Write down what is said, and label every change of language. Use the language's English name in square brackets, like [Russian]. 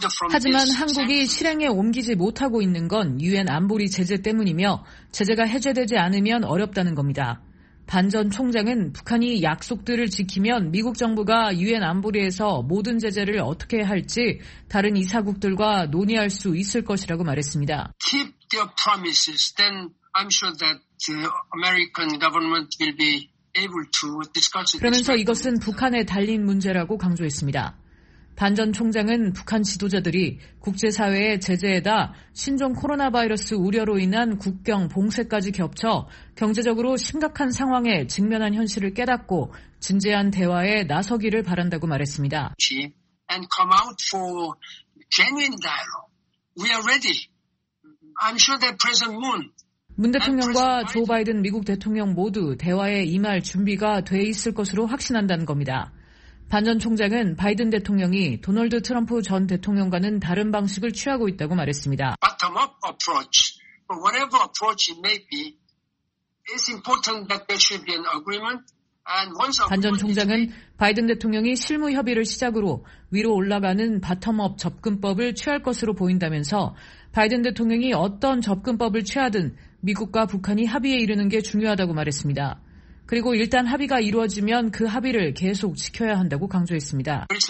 [Korean] 하지만 한국이 실행에 옮기지 못하고 있는 건 유엔 안보리 제재 때문이며 제재가 해제되지 않으면 어렵다는 겁니다. 반 전 총장은 북한이 약속들을 지키면 미국 정부가 유엔 안보리에서 모든 제재를 어떻게 할지 다른 이사국들과 논의할 수 있을 것이라고 말했습니다. [English] Keep their promises, then I'm sure that the American government will be able to discuss it. [Korean] 그러면서 이것은 북한에 달린 문제라고 강조했습니다. 반 전 총장은 북한 지도자들이 국제사회의 제재에다 신종 코로나 바이러스 우려로 인한 국경 봉쇄까지 겹쳐 경제적으로 심각한 상황에 직면한 현실을 깨닫고 진지한 대화에 나서기를 바란다고 말했습니다. [English] And come out for genuine dialogue. We are ready. I'm sure that President Moon. [Korean] 문 대통령과 조 바이든 미국 대통령 모두 대화에 임할 준비가 돼 있을 것으로 확신한다는 겁니다. 반 전 총장은 바이든 대통령이 도널드 트럼프 전 대통령과는 다른 방식을 취하고 있다고 말했습니다. [English] Bottom-up approach, whatever approach it may be, it's important that there should be an agreement. [Korean] 반 전 총장은 바이든 대통령이 실무 협의를 시작으로 위로 올라가는 바텀업 접근법을 취할 것으로 보인다면서 바이든 대통령이 어떤 접근법을 취하든 미국과 북한이 합의에 이르는 게 중요하다고 말했습니다. 그리고 일단 합의가 이루어지면 그 합의를 계속 지켜야 한다고 강조했습니다.